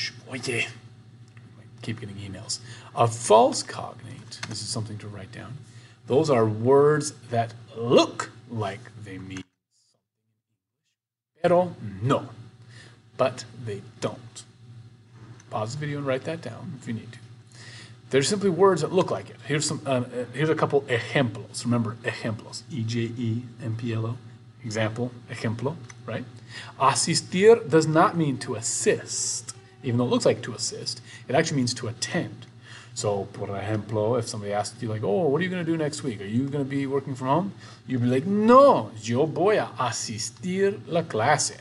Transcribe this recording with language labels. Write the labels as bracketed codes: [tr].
[en] Oye, I keep getting emails. A false cognate, this is something to write down. Those are words that look like they mean something. [es] Pero no. [en] But they don't. Pause the video and write that down if you need to. They're simply words that look like it. Here's a couple ejemplos. Remember, ejemplos. E-J-E-M-P-L-O. Example, ejemplo, right? Asistir does not mean to assist. Even though it looks like to assist, it actually means to attend. So, [es] por ejemplo, [en] if somebody asks you, like, oh, what are you going to do next week? Are you going to be working from home? You'd be like, no, [es] yo voy a asistir la clase.